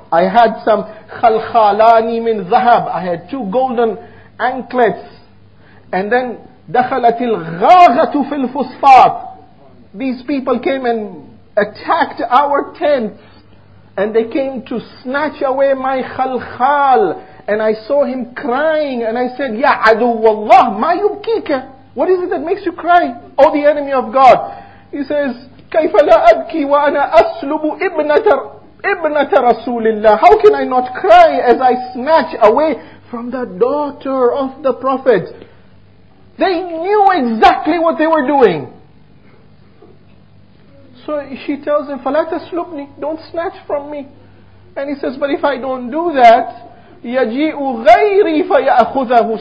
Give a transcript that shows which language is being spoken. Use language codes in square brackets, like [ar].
[en] I had some [ar] khalkhalani min zahab. [en] I had two golden anklets. And then [ar] دخلت الغاغة في الفصفات. [en] These people came and attacked our tents, and they came to snatch away my khalkhal. And I saw him crying, and I said, [ar] يا عدو الله ما يبكيك. [en] What is it that makes you cry, O the enemy of God? He says, [ar] كيف لا أبكي وأنا أسلب ابنة رسول الله. [en] How can I not cry as I snatch away from the daughter of the Prophet? They knew exactly what they were doing. So she tells him, [ar] فَلَا تَسْلُبْنِي. [en] Don't snatch from me. And he says, but if I don't do that, [ar] يَجِئُ غَيْرِي فَيَأْخُذَهُ.